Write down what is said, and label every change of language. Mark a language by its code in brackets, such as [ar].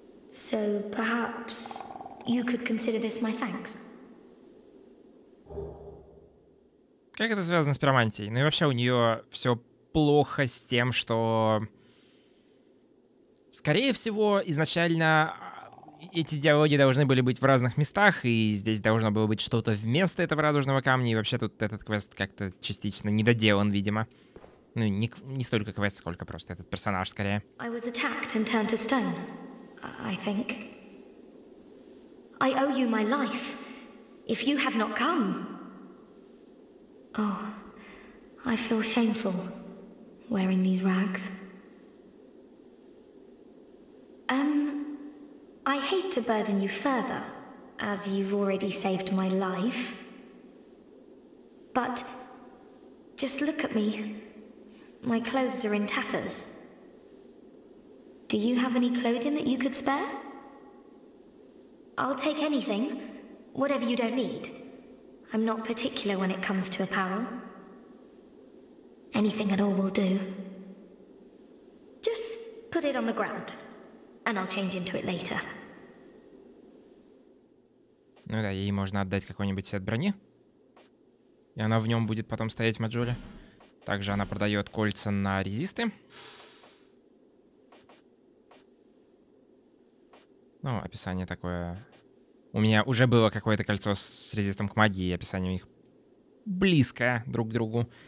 [en] So perhaps you could consider this my thanks. [ru] Как это связано с пиромантией? Ну и вообще у нее все плохо с тем, что... Скорее всего, изначально эти диалоги должны были быть в разных местах, и здесь должно было быть что-то вместо этого радужного камня, и вообще тут этот квест как-то частично недоделан, видимо. Ну, не столько квест, сколько просто этот персонаж, скорее. [en] I was attacked and turned to stone, I think. I owe you my life, if you had not come. Oh, I feel shameful wearing these rags. I hate to burden you further, as you've already saved my life. But just look at me. My clothes are in tatters. Do you have any clothing that you could spare? I'll take anything, whatever you don't need. I'm not particular when it comes to apparel. Anything at all will do. Just put it on the ground, and I'll change into it later. [ru] Ну да, ей можно отдать какой-нибудь сет брони. И она в нем будет потом стоять в Маджоре. Также она продает кольца на резисты. Ну, описание такое... У меня уже было какое-то кольцо с резистом к магии, и описание у них близкое друг к другу.